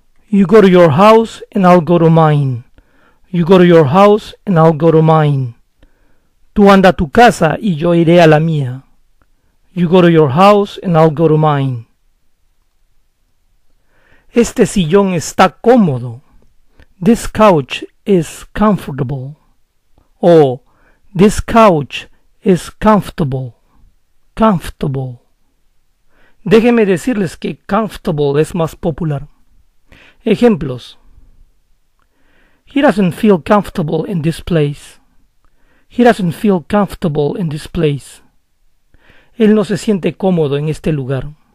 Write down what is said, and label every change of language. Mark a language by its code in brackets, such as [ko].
[en] You go to your house and I'll go to mine. You go to your house and I'll go to mine. [es] Tú anda a tu casa y yo iré a la mía. [en] You go to your house and I'll go to mine. [es] Este sillón está cómodo. [en] This couch is comfortable. Oh, this couch is comfortable. Comfortable. [es] Déjeme decirles que comfortable es más popular. Ejemplos. [en] He doesn't feel comfortable in this place. He doesn't feel comfortable in this place. [es] Él no se siente cómodo en este lugar.